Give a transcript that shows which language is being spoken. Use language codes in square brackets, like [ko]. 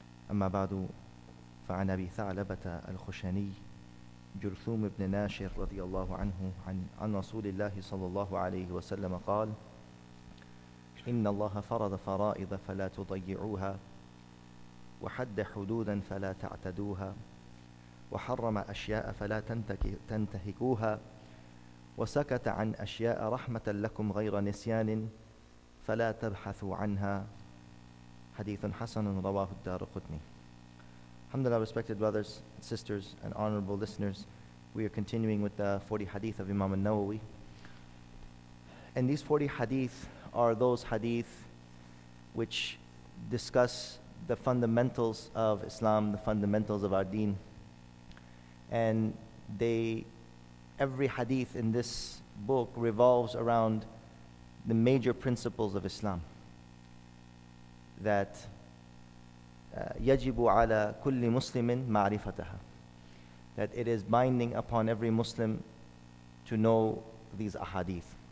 [ar] أما بعد، فعن أبي ثعلبة الخشني جرثوم بن ناشر رضي الله عنه عن رسول الله صلى الله عليه وسلم قال: إن الله فرض فرائض فلا تضيعوها، وحد حدودا فلا تعتدوها، وحرم أشياء فلا تنتهكوها، وسكت عن أشياء رحمة لكم غير نسيان فلا تبحثوا عنها. حديث حسن رواه الدارقطني. [en] Alhamdulillah, respected brothers, sisters, and honorable listeners, we are continuing with the 40 hadith of Imam al-Nawawi. And these 40 hadith are those hadith which discuss the fundamentals of Islam, the fundamentals of our deen. And every hadith in this book revolves around the major principles of Islam. That [ar] يجب على كل مسلم معرفتها. [en] That it is binding upon every Muslim to know these ahadith.